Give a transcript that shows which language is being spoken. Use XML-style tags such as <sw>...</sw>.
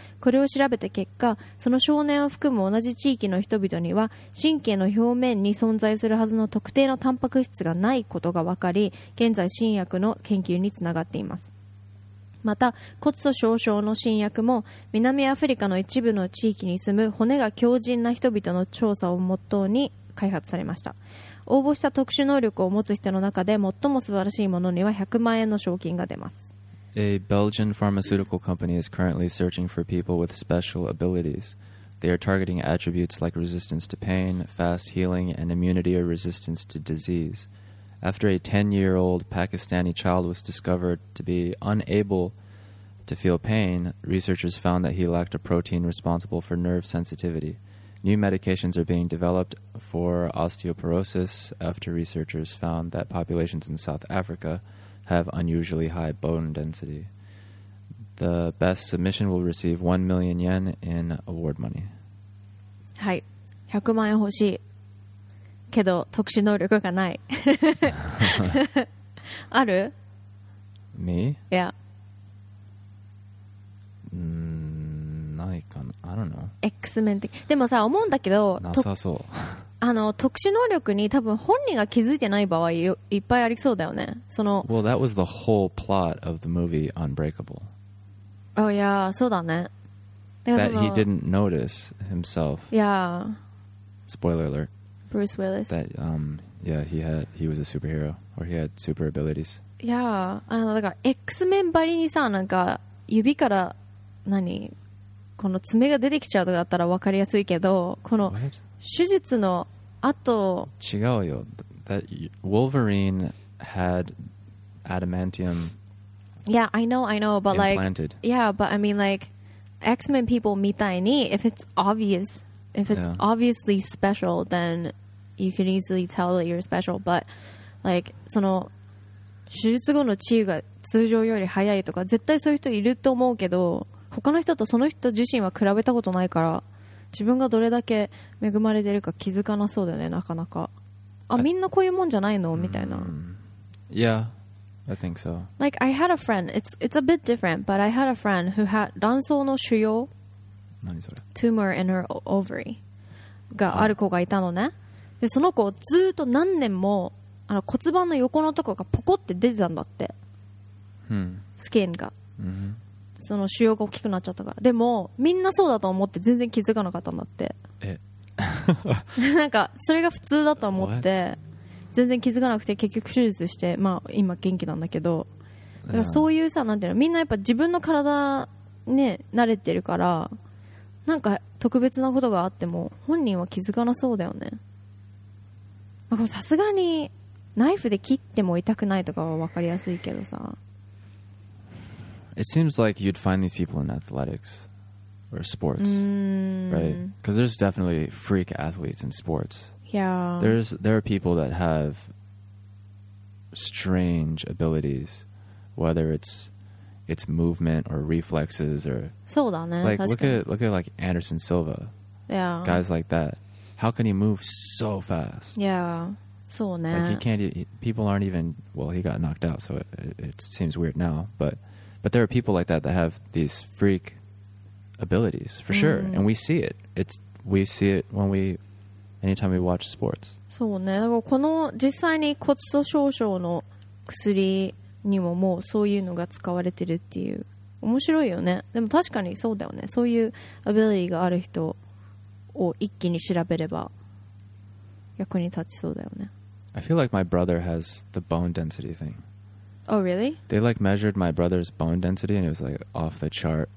<ja>これを調べた結果、その少年を含む同じ地域の人々には神経の表面に存在するはずの特定のタンパク質がないことが分かり、現在新薬の研究につながっています。また骨粗鬆症の新薬も南アフリカの一部の地域に住む骨が強靭な人々の調査をもとに開発されました。応募した特殊能力を持つ人の中で最も素晴らしいものには100万円の賞金が出ます。</ja> <en>A Belgian pharmaceutical company is currently searching for people with special abilities. They are targeting attributes like resistance to pain, fast healing, and immunity or resistance to disease. After a 10-year-old Pakistani child was discovered to be unable to feel pain, researchers found that he lacked a protein responsible for nerve sensitivity. New medications are being developedfor osteoporosis after researchers found that populations in South Africa have unusually high bone density. The best submission will receive 1 million yen in award money.</en> <ja>はい。100万円欲しい。けど特殊能力がない。ある？</ja> <en>Me? Yeah.</en> <ja>ないかな。</ja> <en>I don't know.</en> <ja>X-Men 的。でもさ、思うんだけど。なさそう。あの特殊能力に多分本人が気づいてない場合いっぱいありそうだよね。その</ja> <en>Well, that was the whole plot of the movie Unbreakable. Oh yeah,</en> <ja>そうだね。</ja> <en>That he didn't notice himself. Yeah. Spoiler alert. Bruce Willis. That yeah, he was a superhero or he had super abilities.</en> <ja>Yeah, あのだから X-Men ばりにさ、なんか指から何この爪が出てきちゃうとかだったら分かりやすいけど、この</ja> <en>What?</en> <ja>手術の後違うよ。</ja> <en>That Wolverine had adamantium. Yeah, I know, but implanted. Like, yeah, but I mean, like, X-Men people</en> <ja>みたいに</ja> <en>if it's obvious, if it's yeah. obviously special, then you can easily tell that you're special. But like,</en> <ja>その手術後の治癒が通常より早いとか絶対そういう人いると思うけど、他の人とその人自身は比べたことないから。自分がどれだけ恵まれてるか気づかなそうだよね、なかなか。あ、みんなこういうもんじゃないのみたいな。</ja> <en>Yeah, I think so. Like, I had a friend, it's a bit different, but I had a friend who had</en> <ja>卵巣の腫瘍、何それ</ja> <en>tumor in her ovary</en> <ja>がある子がいたのね。で、その子ずっと何年もあの骨盤の横のとこがポコって出てたんだって。スキンが。その腫瘍が大きくなっちゃったから、でもみんなそうだと思って全然気づかなかったんだって。え、なんかそれが普通だと思って全然気づかなくて、結局手術して、まあ今元気なんだけど、だからそういうさ、なんていうの、みんなやっぱ自分の体ね慣れてるから、なんか特別なことがあっても本人は気づかなそうだよね。さすがにナイフで切っても痛くないとかは分かりやすいけどさ。</ja> <en>It seems like you'd find these people in athletics or sports, right? Because there's definitely freak athletes in sports. Yeah. There are people that have strange abilities, whether it's movement or reflexes or...</en> <ja>そうだね。</ja> <en>Like, look at like Anderson Silva. Yeah. Guys like that. How can he move so fast?</en> <ja>Yeah. そうね。</ja> <en>Like, people aren't even... Well, he got knocked out, so it seems weird now, but... But there are people like that that have these freak abilities, for sure.、うん、And we see it. We see it anytime we watch sports.</en> <ja>そうね。だからこの実際に骨粗鬆症の薬にももうそういうのが使われてるっていう。面白いよね。でも確かにそうだよね。そういうアビリティがある人を一気に調べれば役に立ちそうだよね。</ja> <en>I feel like my brother has the bone density thing. Oh, really? They, like, measured my brother's bone density, and it was, like, off the chart.</en>